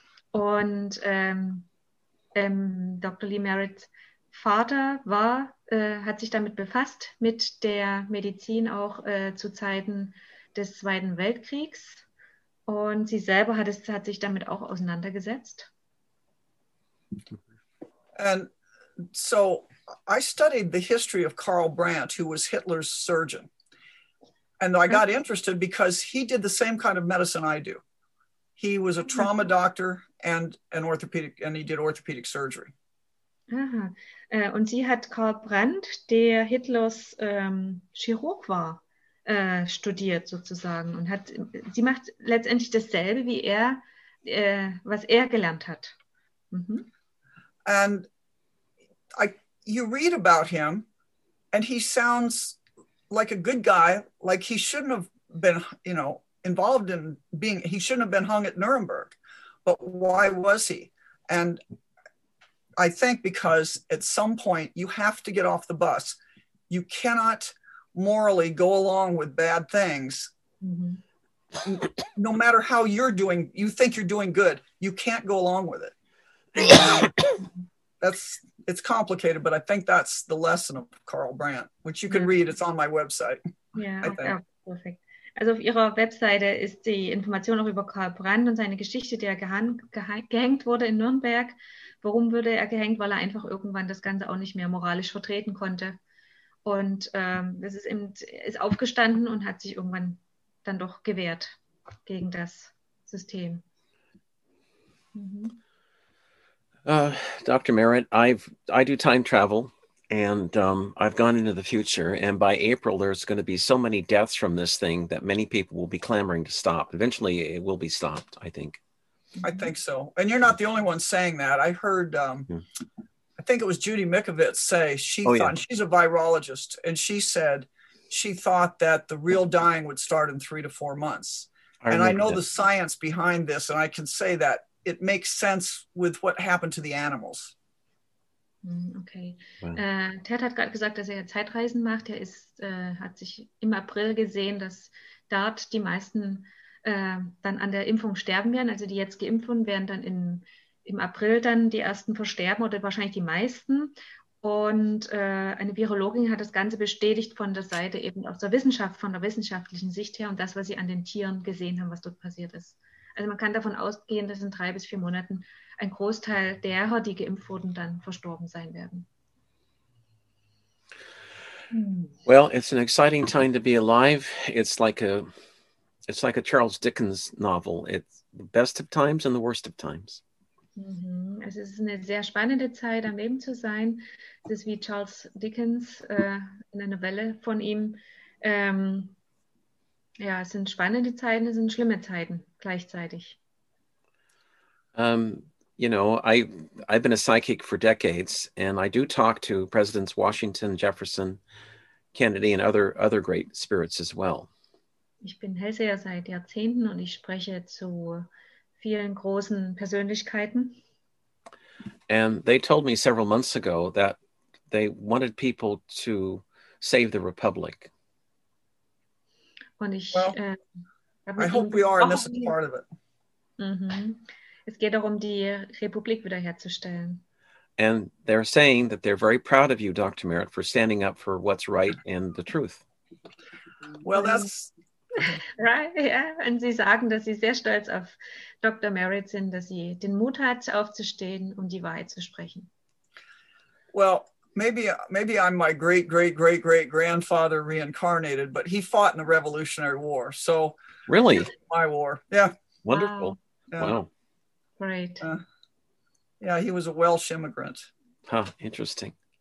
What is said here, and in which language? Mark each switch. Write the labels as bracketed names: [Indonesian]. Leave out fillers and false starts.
[German] Und Dr. Lee Merritts Vater hat sich damit befasst, mit der Medizin auch zu Zeiten des Zweiten Weltkriegs. Und sie selber hat sich damit auch auseinandergesetzt. [English] And so I studied the history of Karl Brandt, who was Hitler's surgeon. And I got interested because he did the same kind of medicine I do. He was a trauma doctor and an orthopedic, and he did orthopedic surgery. Aha. [German] Und sie hat Karl Brandt, der Hitlers Chirurg war, studiert sozusagen. Und sie macht letztendlich dasselbe, wie er, was er gelernt hat. Mhm. [English] And you read about him and he sounds like a good guy, like he shouldn't have been, you know, involved in being, he shouldn't have been hung at Nuremberg, but why was he? And I think because at some point you have to get off the bus. You cannot morally go along with bad things. Mm-hmm. No matter how you're doing, you think you're doing good, you can't go along with it. It's complicated, but I think that's the lesson of Karl Brandt, which you can read. It's on my website. Yeah, okay, perfect. [German] Also auf ihrer Webseite ist die Information auch über Karl Brandt und seine Geschichte, der gehängt wurde in Nürnberg. Warum wurde er gehängt? Weil er einfach irgendwann das Ganze auch nicht mehr moralisch vertreten konnte. Und das ist aufgestanden und hat sich irgendwann dann doch gewehrt gegen das System. Mhm. [English] Dr. Merritt, I do time travel, and I've gone into the future, and by April, there's going to be so many deaths from this thing that many people will be clamoring to stop. Eventually, it will be stopped, I think. I think so. And you're not the only one saying that. I heard, I think it was Judy Mikovits say, she's a virologist, and she said she thought that the real dying would start in 3 to 4 months. I know the science behind this, and I can say that it makes sense with what happened to the animals. Okay. [German] Ted hat gerade gesagt, dass er Zeitreisen macht. Er ist, hat sich im April gesehen, dass dort die meisten dann an der Impfung sterben werden. Also die jetzt geimpft wurden, werden dann im April dann die ersten versterben oder wahrscheinlich die meisten. Und eine Virologin hat das Ganze bestätigt von der Seite eben aus der Wissenschaft, von der wissenschaftlichen Sicht her und das, was sie an den Tieren gesehen haben, was dort passiert ist. Also man kann davon ausgehen, dass in 3 bis 4 Monaten ein Großteil derer, die geimpft wurden, dann verstorben sein werden. [English] Well, it's an exciting time to be alive. It's like a Charles Dickens novel. It's the best of times and the worst of times. [German] Also es ist eine sehr spannende Zeit, am Leben zu sein. Es ist wie Charles Dickens in einer Novelle von ihm. Ja, es sind spannende Zeiten, es sind schlimme Zeiten gleichzeitig. [English] You know, I've been a psychic for decades, and I do talk to Presidents Washington, Jefferson, Kennedy and other great spirits as well. [German] Ich bin Hellseher seit Jahrzehnten und ich spreche zu vielen großen Persönlichkeiten. [English] And they told me several months ago that they wanted people to save the Republic. [German] Und ich, [English] well, I hope we are, and this is part of it. Mm-hmm. [German] Es geht darum, die Republik wiederherzustellen. [English] And they're saying that they're very proud of you, Dr. Merritt, for standing up for what's right and the truth. Well, that's... Right, ja. Yeah. [German] Und sie sagen, dass sie sehr stolz auf Dr. Merritt sind, dass sie den Mut hat, aufzustehen, um die Wahrheit zu sprechen. [English] Well, maybe I'm my great-great-great-great-grandfather reincarnated, but he fought in the Revolutionary War, so... Really? My war, yeah. Wonderful. Yeah. Wow. Great. Yeah, he was a Welsh immigrant. Huh, interesting.